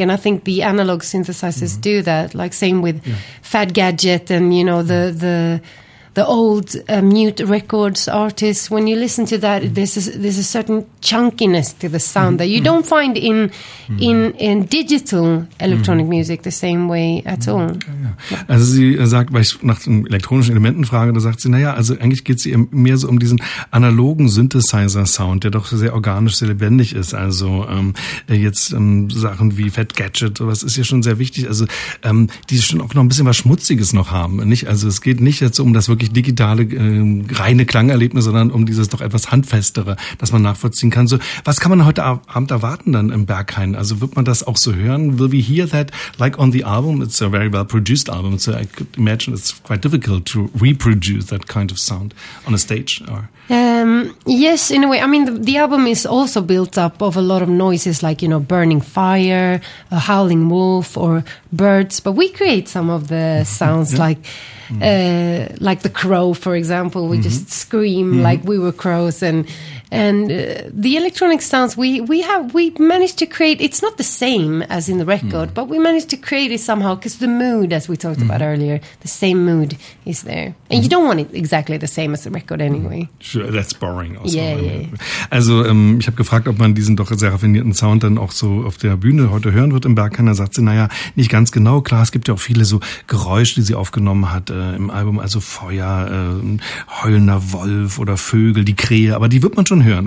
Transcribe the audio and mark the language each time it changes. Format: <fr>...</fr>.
<en>And I think the analog synthesizers do that. Like same with Fad Gadget and, you know, the the old mute records artists, when you listen to that, there's a certain chunkiness to the sound that you don't find in digital electronic music the same way at all.</en> <de>Also sie sagt, weil ich nach den elektronischen Elementen frage, da sagt sie, naja, also eigentlich geht es ihr mehr so um diesen analogen Synthesizer-Sound, der doch sehr organisch, sehr lebendig ist. Also Sachen wie Fat Gadget, sowas ist ja schon sehr wichtig. Also die schon auch noch ein bisschen was Schmutziges noch haben. Nicht? Also es geht nicht jetzt um das wirklich digitale, reine Klangerlebnis, sondern um dieses doch etwas Handfestere, das man nachvollziehen kann. So, was kann man heute Abend erwarten dann im Berghain? Also wird man das auch so hören?</de> <en>Will we hear that, like on the album? It's a very well-produced album, so I could imagine it's quite difficult to reproduce that kind of sound on a stage. Or Yes, in a way. I mean, the album is also built up of a lot of noises, like, you know, burning fire, a howling wolf, or birds. But we create some of the sounds, like the crow, for example. We just scream like we were crows, and the electronic sounds we managed to create. It's not the same as in the record, but we managed to create it somehow because the mood, as we talked about earlier, the same mood is there, and you don't want it exactly the same as the record anyway. Sure, that's boring. Also. Yeah, yeah.</en> <de>Also ich habe gefragt, ob man diesen doch sehr raffinierten Sound dann auch so auf der Bühne heute hören wird im Berghain. Da sagt sie, naja, nicht ganz genau. Klar, es gibt ja auch viele so Geräusche, die sie aufgenommen hat im Album, also Feuer, heulender Wolf oder Vögel, die Krähe, aber die wird man schon hören.</de>